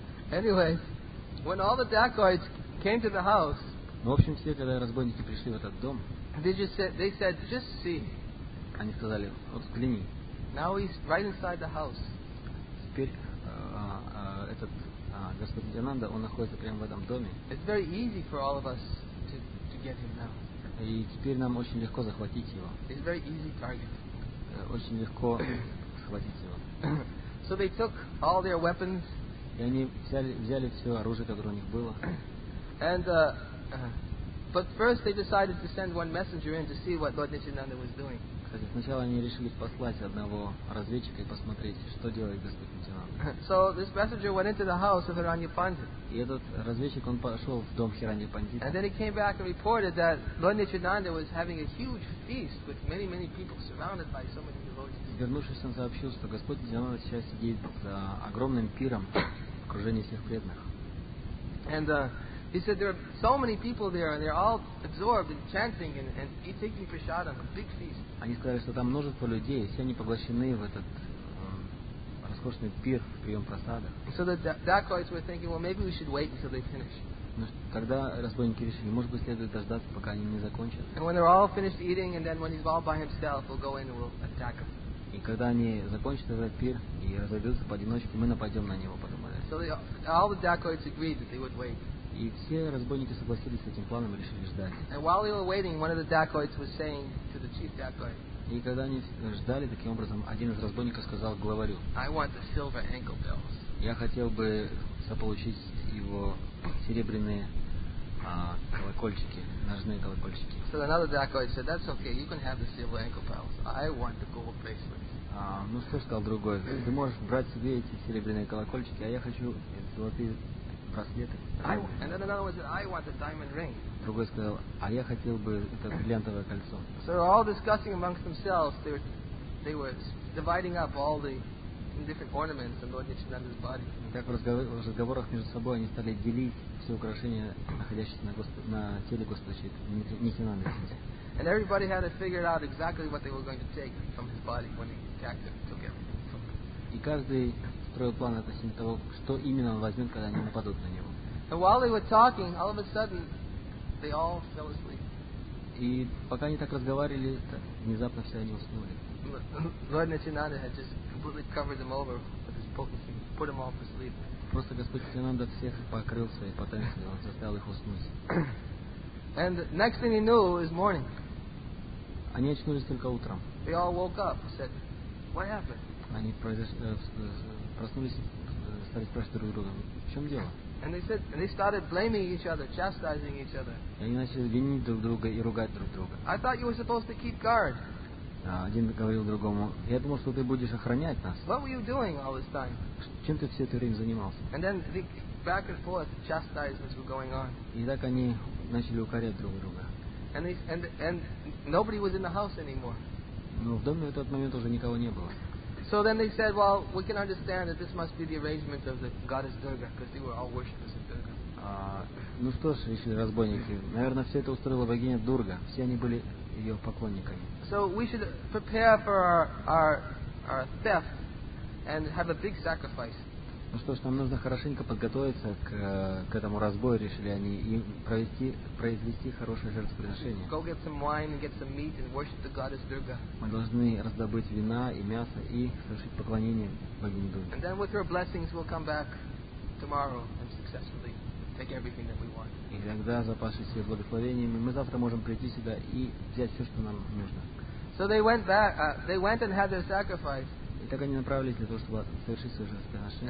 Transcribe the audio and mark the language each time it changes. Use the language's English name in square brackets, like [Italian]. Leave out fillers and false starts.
[English] Anyway, when all the dacoits came to the house, [Russian] ну, в общем, все, когда разбойники пришли в этот дом, [English] they said, just see. [Russian] Они сказали, вот взгляни. [English] Now he's right inside the house. [Russian] Теперь этот господин Нитянанда, он находится прямо в этом доме. [English] It's very easy for all of us to get him now. [Russian] И теперь нам очень легко захватить его. [English] It's very easy target. [Russian] Очень легко схватить его. [English] So they took all their weapons. [Russian] И они взяли все оружие, которое у них было. [English] And but first they decided to send one messenger in to see what Lord Nityananda was doing. [Russian] Сначала они решили послать одного разведчика и посмотреть, что делает Господь Нитянанда. [English] So this messenger went into the house of Hirani Pandit. [Russian] И этот разведчик, он пошел в дом Хирани Пандита. [English] And then he came back and reported that Lord Nityananda was having a huge feast with many, many people surrounded by so many devotees. [Russian] Вернувшись, он сообщил, что Господь Нитянанда сейчас сидит за огромным пиром в окружении всех преданных. [English] And he said there are so many people there and they're all absorbed in chanting and eating prasadam, a big feast. [Russian] Они сказали, что там множество людей, все они поглощены в этот роскошный пир, прием просады. [English] So the dacoits were thinking, well, maybe we should wait until they finish. [Russian] Ну, тогда разбойники решили, может быть, следует дождаться, пока они не закончат. [English] And when they're all finished eating, and then when he's all by himself, we'll go in and we'll attack him. [Russian] И когда они закончат этот пир и разойдутся поодиночке, мы нападем на него, подумали. [English] So all the dacoits agreed that they would wait. [Russian] И все разбойники согласились с этим планом и решили ждать. [English] And while they were waiting, one of the dacoits was saying to the chief dacoit. [Russian] И когда они ждали, таким образом, один из разбойников сказал главарю. [English] I want the silver ankle bells. [Russian] Я хотел бы заполучить его серебряные колокольчики, ножные колокольчики. [English] So another dacoit said, that's okay, you can have the silver ankle bells. I want the gold bracelets. [Russian] Ну что сказал другой? Ты можешь брать себе эти серебряные колокольчики, а я хочу золотые. [English] And then another one said, I want the diamond ring. [Russian] Другой сказал, а я хотел бы это бриллиантовое кольцо. [English] So they're all discussing amongst themselves. They were dividing up all the different ornaments on Lord Nityananda's body. [Russian] Так в разговорах между собой они стали делить все украшения, находящиеся на теле Господа Нитянанды. [English] And everybody had to figure out exactly what they were going to take from his body when they attacked him, took him. [Russian] И каждый строил план относительно того, что именно он возьмет, когда они нападут на него. [English] And while they were talking, all of a sudden, they all fell asleep. [Russian] И пока они так разговаривали, внезапно все они уснули. [English] Lord Nityananda had just completely covered them over with his potency, put them all to sleep. [Russian] Просто Господь Нитянанда всех покрыл своей потенцией, он заставил их уснуть. [English] And next thing they knew is morning. [Russian] Они очнулись только утром. [English] They all woke up and said, "What happened?" [Russian] Они проснулись, стали спрашивать друг друга, в чем дело? [English] And they said, and they started blaming each other, chastising each other. [Russian] И они начали винить друг друга и ругать друг друга. [English] I thought you were supposed to keep guard. [Russian] Один говорил другому, я думал, что ты будешь охранять нас. [English] What were you doing all this time? [Russian] Чем ты все это время занимался? [English] And then they, back and forth, chastisements were going on. [Russian] И так они начали укорять друг друга. [English] And they, and nobody was in the house anymore. [Russian] Но в доме в этот момент уже никого не было. [English] So then they said, well, we can understand that this must be the arrangement of the goddess Durga, because they were all worshippers of Durga. [Russian] Ну что ж, решили разбойники. Наверное, все это устроила богиня Дурга. Все они были ее поклонниками. [English] So we should prepare for our theft and have a big sacrifice. [Russian] Ну что ж, нам нужно хорошенько подготовиться к этому разбою, решили они, и произвести хорошее жертвоприношение. [English] Go get some wine and get some meat and worship the goddess Durga. [Russian] Мы должны раздобыть вина и мясо и совершить поклонение богине Дурге. [English] And then with her blessings we'll come back tomorrow and successfully take everything that we want. [Russian] И тогда, запасшись ее благословениями, мы завтра можем прийти сюда и взять все, что нам нужно. [English] So they went back, they went and had their sacrifice. [Russian] И так они направились для того, чтобы совершить свое жертвоприношение.